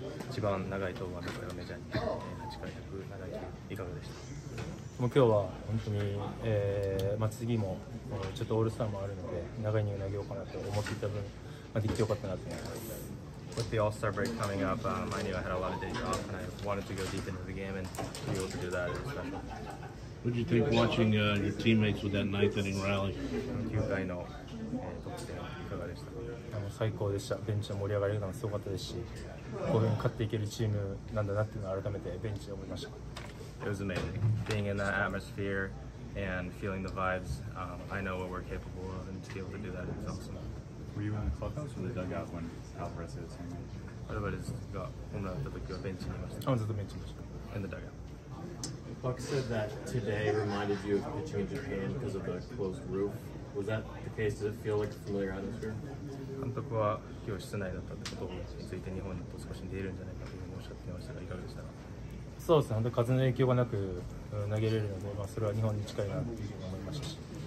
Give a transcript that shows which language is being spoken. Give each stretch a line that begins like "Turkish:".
Japanese: 一番長い登板だったよ、メジャーに。 8回107球、いかがでした？もう今日は本当に、まあ、次も、ちょっとオールスターもあるので、長いに投げようかなと思っていた分、まあ、できてよかったなと思います。
English: With the All-Star break coming up, I knew I had a lot of days off and I wanted to go deep into the game and to be able to do that is special. What did you think watching your teammates with that ninth inning rally?
Japanese: 9回の得点はいかがでしたか？最高でした。ベンチの盛り上がりがすごかったですし、こういうふうに勝っていけるチームなんだなっていうのを改めてベンチで思いました。
English: It was amazing. Being in that atmosphere and feeling the vibes, I know what we're capable of and to be able to do that is awesome. Were you in the clubhouse or the dugout when Alvarez hit his home run? Alvarez got home run at the bench. I was at the bench. In the dugout. Buck said that today reminded you of pitching in Japan because of the closed roof. Was that the case? Did it feel like a familiar atmosphere?
Japanese: 監督は今日室内だったってことについて日本だと少し似ているんじゃないかというふうにおっしゃっていましたが、いかがでしたか？そうですね。本当に風の影響がなく投げれるので、まあ、それは日本に近いなというふうに思いましたし。